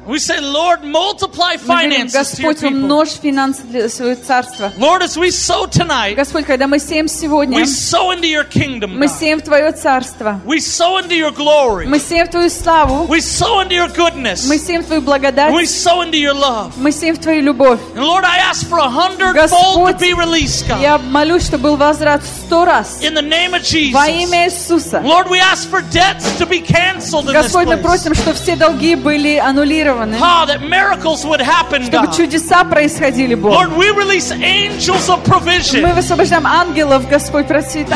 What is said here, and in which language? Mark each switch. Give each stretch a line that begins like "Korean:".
English: We say, Lord, multiply finances.
Russian: Господь, умножь финансы для своего царства.
English: Lord, as we sow tonight.
Russian: Господь, когда мы сеем сегодня.
English: We sow into your kingdom.
Russian: Мы сеем в твое царство.
English: We sow into your glory.
Russian: Мы сеем в твою славу.
English: We sow into your goodness.
Russian: Мы сеем в твою благодать.
English: We sow into your love.
Russian: Мы сеем в твою любовь.
English: And Lord, I ask for 100-fold to be released, God.
Russian: Я молюсь, чтобы был возврат 100 раз.
English: In the name of Jesus.
Russian: Во имя Иисуса.
English: Lord, we ask for debts to be canceled in this place.
Russian: Господь, мы просим, чтобы все долги были аннулированы.
English: Oh, that miracles would happen, God.
Russian: Чтобы чудеса происходили, Бог.
English: Lord, we release angels of provision.
Russian: Мы высвобождаем ангелов, Господь, процветания.